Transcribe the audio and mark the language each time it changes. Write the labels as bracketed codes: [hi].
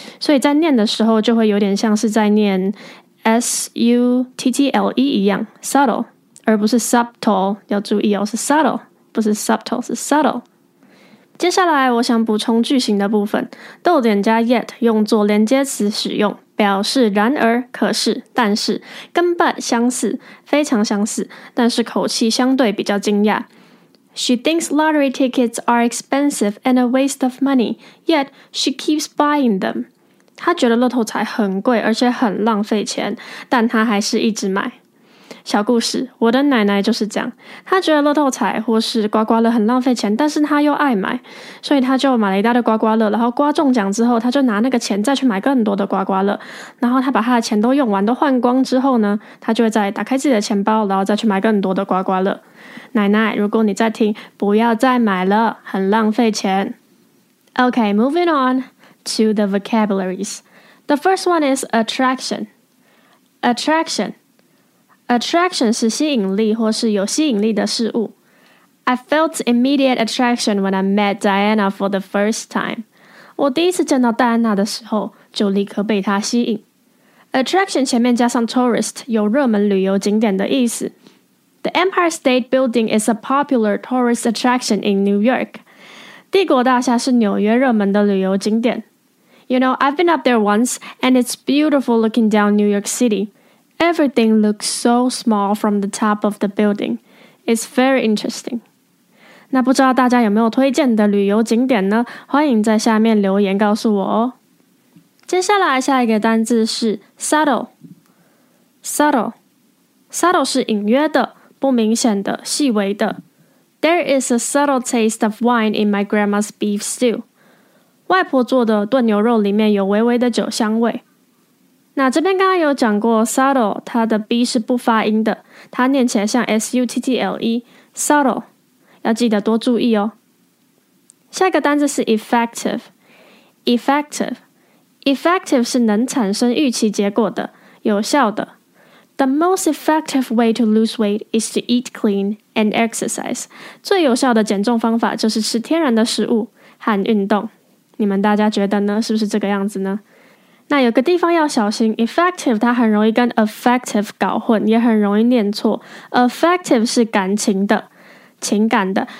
[zh] 所以在念的时候就会有点像是在念 S-U-T-T-L-E 一样， subtle, 而不是 subtle, 要注意哦，是 subtle, 不是 subtle, 是 subtle。接下来我想补充句型的部分，逗点加 yet 用作连接词使用，表示然而、可是、但是，跟 but 相似，非常相似，但是口气相对比较惊讶。 [en] She thinks lottery tickets are expensive and a waste of money, yet she keeps buying them. [zh] 她觉得乐透彩很贵而且很浪费钱，但她还是一直买。小故事，我的奶奶就是这样，她觉得乐透彩或是刮刮乐很浪费钱，但是她又爱买，所以她就买了一大堆刮刮乐，然后刮中奖之后，她就拿那个钱再去买更多的刮刮乐，然后她把她的钱都用完都换光之后呢，她就会再打开自己的钱包，然后再去买更多的刮刮乐。奶奶，如果你在听，不要再买了，很浪费钱。 [en] OK, moving on to the vocabularies. The first one is attraction. [zh] AttractionAttraction 是吸引力或是有吸引力的事物。 [en] I felt immediate attraction when I met Diana for the first time. [zh] 我第一次见到戴安娜的时候就立刻被她吸引。 Attraction 前面加上 tourist 有热门旅游景点的意思。 [en] The Empire State Building is a popular tourist attraction in New York. [zh] 帝国大厦是纽约热门的旅游景点。 [en] You know, I've been up there once and it's beautiful looking down New York City. Everything looks so small from the top of the building. It's very interesting. [zh] 那不知道大家有没有推荐的旅游景点呢？欢迎在下面留言告诉我哦。接下来下一个单字是 subtle. [en] Subtle. [zh] Subtle 是隐约的、不明显的、细微的。 [en] There is a subtle taste of wine in my grandma's beef stew. [zh] 外婆做的炖牛肉里面有微微的酒香味。那这边刚刚有讲过 subtle 它的 B 是不发音的，它念起来像 S-U-T-T-L-E subtle， 要记得多注意哦。下一个单字是 effective， effective， effective 是能产生预期结果的，有效的。 [en] The most effective way to lose weight is to eat clean and exercise. [zh] 最有效的减重方法就是吃天然的食物和运动。你们大家觉得呢？是不是这个样子呢？那有个地方要小心， effective 它很容易跟 effective 搞混，也很容易念错。 effective 是感情的，情感的。